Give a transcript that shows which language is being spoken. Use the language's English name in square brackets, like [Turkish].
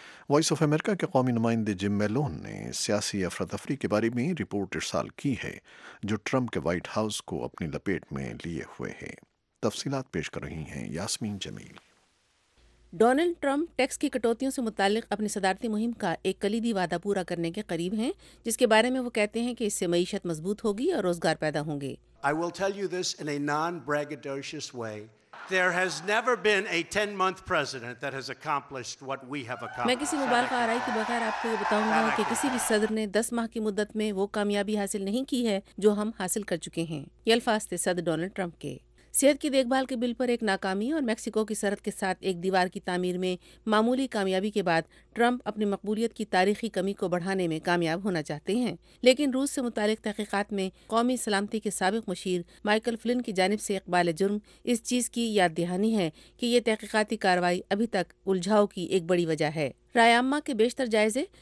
[Urdu] Voice of America کے قومی نمائندے جم میلون نے سیاسی افراتفری کے بارے میں رپورٹ ارسال کی ہے جو ٹرمپ کے وائٹ ہاؤس کو اپنی لپیٹ میں لیے ہوئے ہے۔ تفصیلات پیش کر رہی ہیں یاسمین جمیل۔ ڈونلڈ ٹرمپ ٹیکس کی کٹوتیوں سے متعلق اپنی صدارتی مہم کا ایک کلیدی وعدہ پورا کرنے کے قریب ہیں، جس کے بارے میں وہ کہتے ہیں کہ اس سے معیشت مضبوط ہوگی اور روزگار پیدا ہوں گے۔ [English] I will tell you this in a non-braggadocious way. There has never been a 10-month president that has accomplished what we have accomplished. [Urdu] میں کسی مبالغہ آرائی کے بغیر آپ کو یہ بتاؤں گا کہ کسی بھی صدر نے 10 ماہ کی مدت میں وہ کامیابی حاصل نہیں کی ہے جو ہم حاصل کر چکے ہیں۔ یہ الفاظ تھے صدر ڈونلڈ ٹرمپ کے۔ صحت کی دیکھ بھال کے بل پر ایک ناکامی اور میکسیکو کی سرحد کے ساتھ ایک دیوار کی تعمیر میں معمولی کامیابی کے بعد ٹرمپ اپنی مقبولیت کی تاریخی کمی کو بڑھانے میں کامیاب ہونا چاہتے ہیں، لیکن روس سے متعلق تحقیقات میں قومی سلامتی کے سابق مشیر مائیکل فلن کی جانب سے اقبال جرم اس چیز کی یاد دہانی ہے کہ یہ تحقیقاتی کارروائی ابھی تک الجھاؤ کی ایک بڑی وجہ ہے۔ رائے عامہ کے بیشتر جائزے